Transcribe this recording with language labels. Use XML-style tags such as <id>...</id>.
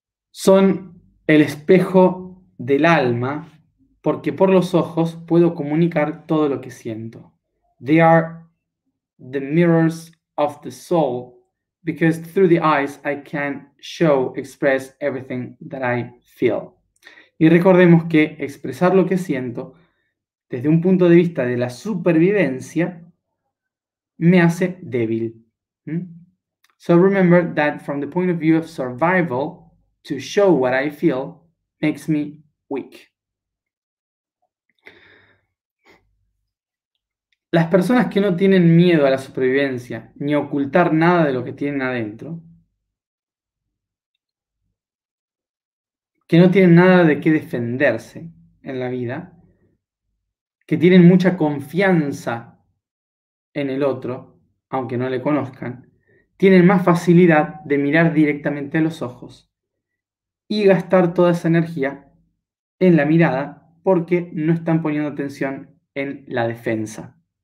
<es>Son el espejo del alma, porque por los ojos puedo comunicar todo lo que siento.</es> <en>They are the mirrors of the soul, because through the eyes I can show, express everything that I feel.</en> <es>Y recordemos que expresar lo que siento desde un punto de vista de la supervivencia me hace débil.</es> <en>So remember that from the point of view of survival, to show what I feel makes me weak.</en> <es>Las personas que no tienen miedo a la supervivencia ni a ocultar nada de lo que tienen adentro, que no tienen nada de qué defenderse en la vida, que tienen mucha confianza en el otro, aunque no le conozcan, tienen más facilidad de mirar directamente a los ojos y gastar toda esa energía en la mirada, porque no están poniendo atención en la defensa.</es>